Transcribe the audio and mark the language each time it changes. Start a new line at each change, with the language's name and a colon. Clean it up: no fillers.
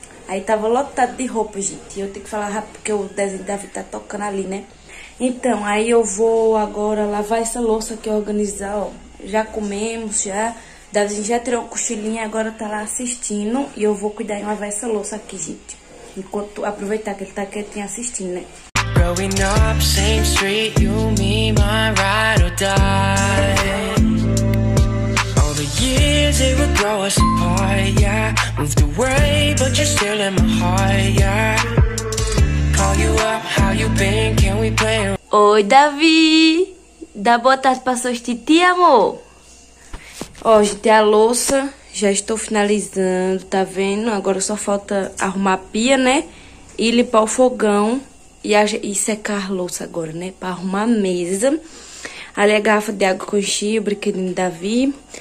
Portuguese: Aí tava lotado de roupa, gente. E eu tenho que falar rápido porque o desenho deve estar tocando ali, né? Então, aí eu vou agora lavar essa louça aqui, organizar, ó. Já comemos, já. A gente já tirou o cochilinho e agora tá lá assistindo. E eu vou cuidar e lavar essa louça aqui, gente. Enquanto aproveitar que ele tá quietinho assistindo, né?
English: Growing up, same street, you mean my ride or die. All the years they would throw us apart, yeah. Moved away, but you're still in my heart, yeah. Call you up, how you been, can we play?
Portuguese: Oi, Davi! Dá boa tarde pra seus titi, amor! Ó, gente, a louça já estou finalizando, tá vendo? Agora só falta arrumar a pia, né? E limpar o fogão e secar a louça agora, né? Pra arrumar a mesa. Ali a garrafa de água que eu enchi, o brinquedinho do Davi.